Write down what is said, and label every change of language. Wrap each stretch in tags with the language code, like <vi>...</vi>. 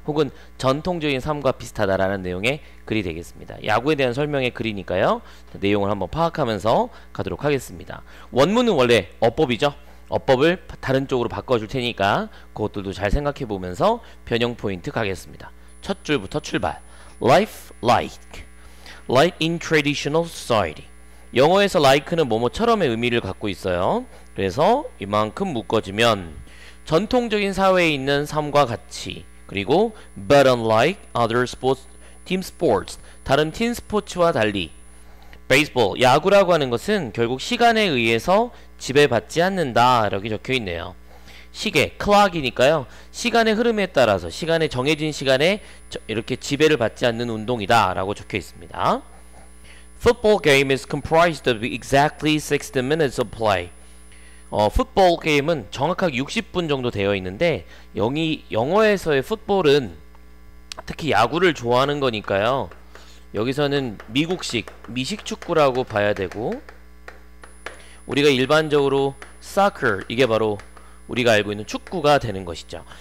<ko>혹은 전통적인 삶과 비슷하다라는 내용의 글이 되겠습니다. 야구에 대한 설명의 글이니까요. 내용을 한번 파악하면서 가도록 하겠습니다. 원문은 원래 어법이죠. 어법을 다른 쪽으로 바꿔줄 테니까 그것들도 잘 생각해 보면서 변형 포인트 가겠습니다. 첫 줄부터 출발.</ko> <en>Life like. Like in traditional society.</en> <ko>영어에서 like는 뭐뭐처럼의 의미를 갖고 있어요. 그래서 이만큼 묶어주면 전통적인 사회에 있는 삶과 같이, 그리고</ko> <en>but unlike other sports, team sports,</en> <ko>다른 팀 스포츠와 달리, baseball, 야구라고 하는 것은 결국 시간에 의해서 지배받지 않는다, 이렇게 적혀 있네요. 시계, clock이니까요. 시간의 흐름에 따라서, 시간에 정해진 시간에 이렇게 지배를 받지 않는 운동이다, 라고 적혀 있습니다.</ko> <en>Football game is comprised of exactly 60 minutes of play.</en> <ko>풋볼 게임은 정확하게 60분 정도 되어 있는데, 영어에서의 풋볼은 특히 야구를 좋아하는 거니까요. 여기서는 미국식, 미식 축구라고 봐야 되고, 우리가 일반적으로 soccer, 이게 바로 우리가 알고 있는 축구가 되는 것이죠.</ko>